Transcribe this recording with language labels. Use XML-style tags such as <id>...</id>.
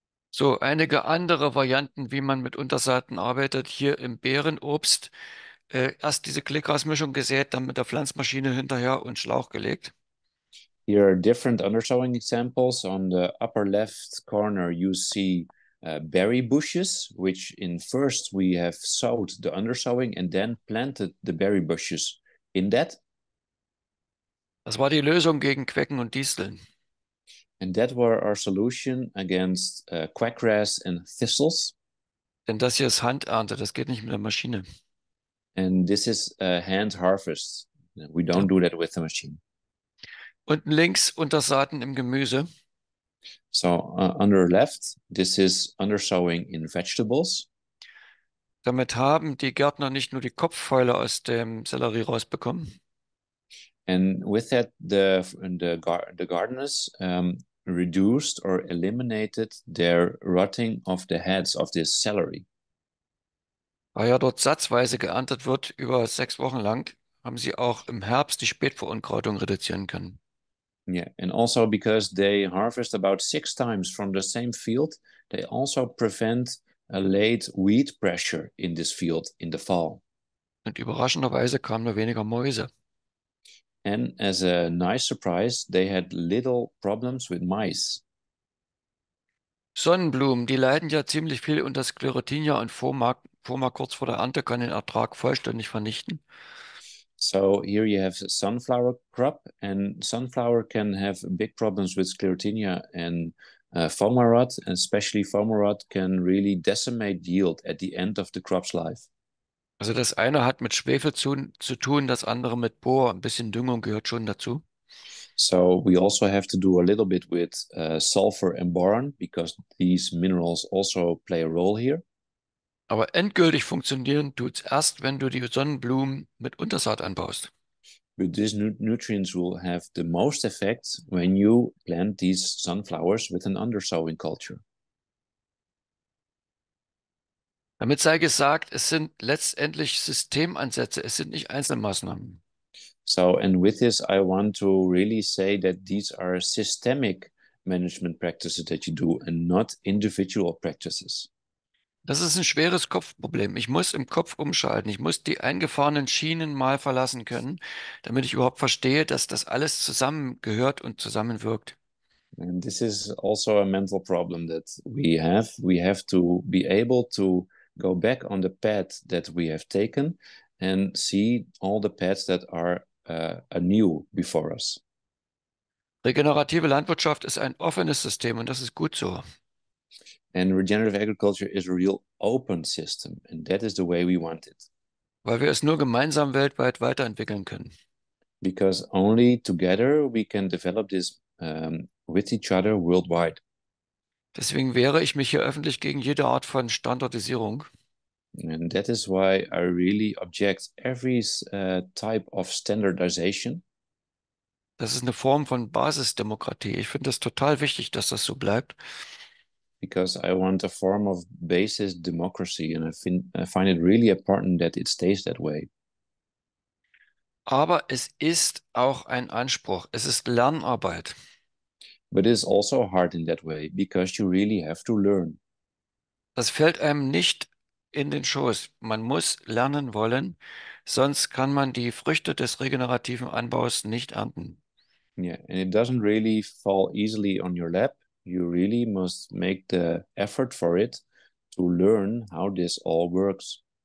<de>So, einige andere Varianten, wie man mit Untersaaten arbeitet, hier im Beerenobst. Erst diese Klickgrasmischung gesät, dann mit der Pflanzmaschine hinterher und Schlauch gelegt.</de> <en>Here are different undersowing examples. On the upper left corner, you see berry bushes, which in first we have sowed the undersowing and then planted the berry bushes in that.</en> <de>Das war die Lösung gegen Quecken und Disteln.</de> <en>And that were our solution against quackgrass and thistles.</en> <de>Denn das hier ist Handernte, das geht nicht mit der Maschine.</de> <en>And this is a hand harvest. We don't do that with the machine.</en> <de>Unten links unter Saaten im Gemüse.</de> <en>So under left, this is undersowing in vegetables.</en> <de>Damit haben die Gärtner nicht nur die Kopffäule aus dem Sellerie rausbekommen.</de> <en>And with that, the gardeners reduced or eliminated their rotting of the heads of this celery.</en> <de>Weil ja dort satzweise geerntet wird über 6 Wochen lang, haben sie auch im Herbst die Spätverunkrautung reduzieren können.</de> <en>Yeah, and also because they harvest about 6 times from the same field, they also prevent a late weed pressure in this field in the fall.</en> <de>Und überraschenderweise kamen nur weniger Mäuse.</de> <en>And as a nice surprise, they had little problems with mice.</en> <de>Sonnenblumen, die leiden ja ziemlich viel unter Sclerotinia und Phoma kurz vor der Ernte, kann den Ertrag vollständig vernichten.</de> <en>So here you have a sunflower crop, and sunflower can have big problems with sclerotinia and foma rot, especially foma rot can really decimate yield at the end of the crop's life.</en> <de>Also das eine hat mit Schwefel zu tun, das andere mit Bor, ein bisschen Düngung gehört schon dazu.</de> <en>So we also have to do a little bit with sulfur and boron, because these minerals also play a role here.</en> <de>Aber endgültig funktionieren tut es erst, wenn du die Sonnenblumen mit Untersaat anbaust.</de> <en>But these nutrients will have the most effect when you plant these sunflowers with an undersowing culture.</en> <de>Damit sei gesagt, es sind letztendlich Systemansätze, es sind nicht Einzelmaßnahmen.</de> <en>So, and with this, I want to really say that these are systemic management practices that you do and not individual practices.</en> <de>Das ist ein schweres Kopfproblem. Ich muss im Kopf umschalten. Ich muss die eingefahrenen Schienen mal verlassen können, damit ich überhaupt verstehe, dass das alles zusammengehört und zusammenwirkt.</de> <en>And this is also a mental problem that we have. We have to be able to go back on the path that we have taken and see all the paths that are anew before us.</en> <de>Regenerative Landwirtschaft ist ein offenes System und das ist gut so.</de> <en>And regenerative agriculture is a real open system, and that is the way we want it.</en> <de>Weil wir es nur gemeinsam weltweit weiterentwickeln können.</de> <en>Because only together we can develop this with each other worldwide.</en> <de>Deswegen wehre ich mich hier öffentlich gegen jede Art von Standardisierung.</de> <en>And that is why I really object every type of standardization.</en> <de>Das ist eine Form von Basisdemokratie. Ich finde es total wichtig, dass das so bleibt.</de> <en>Because I want a form of basis democracy, and I find it really important that it stays that way.</en> <de>Aber es ist auch ein Anspruch. Es ist Lernarbeit.</de> <en>But it is also hard in that way, because you really have to learn.</en> <de>Das fällt einem nicht in den Schoß. Man muss lernen wollen, sonst kann man die Früchte des regenerativen Anbaus nicht ernten.</de> <en>Yeah, and it doesn't really fall easily on your lap. You really must make the effort for it to learn how this all works.</en>